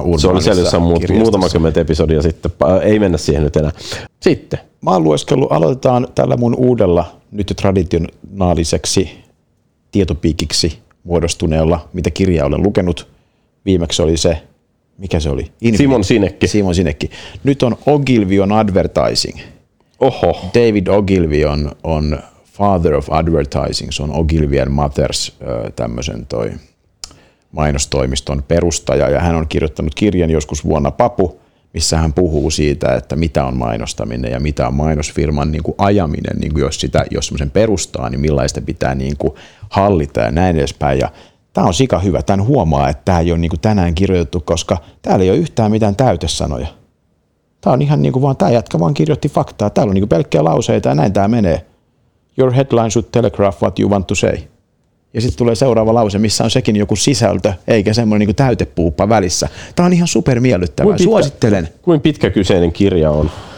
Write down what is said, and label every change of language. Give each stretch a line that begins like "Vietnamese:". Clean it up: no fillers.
Finnish: Urbanissa. Se oli siellä jossain muutama kymmentä episodia sitten. Ei mennä siihen nyt enää. Sitten. Mä oon lueskellut, aloitetaan tällä mun uudella, nyt jo traditionaaliseksi tietopiikiksi muodostuneella, mitä kirjaa olen lukenut. Viimeksi oli se, mikä se oli? Simon Sinekki. Nyt on Ogilvy on Advertising. Oho. David Ogilvy on father of advertising, se on Ogilvy and Mothers, tämmöisen toi mainostoimiston perustaja, ja hän on kirjoittanut kirjan joskus vuonna Papu, missä hän puhuu siitä, että mitä on mainostaminen ja mitä on mainosfirman niin kuin ajaminen, niin kuin jos semmoisen perustaa, niin millaista pitää niin kuin hallita ja näin edespäin, ja tämä on sika hyvä, tämän huomaa, että tämä ei ole niin kuin tänään kirjoitettu, koska täällä ei ole yhtään mitään täytesanoja. Tämä on ihan niin kuin vaan, tämä jätkä vaan kirjoitti faktaa. Täällä on niin kuin pelkkiä lauseita ja näin tämä menee.
English: Your headline should telegraph what you want to say.
Finnish: Ja sitten tulee seuraava lause, missä on sekin joku sisältö, eikä semmoinen niin kuin täytepuuppa välissä. Tämä on ihan super miellyttävää. Suosittelen. Kuinka pitkä kyseinen kirja on?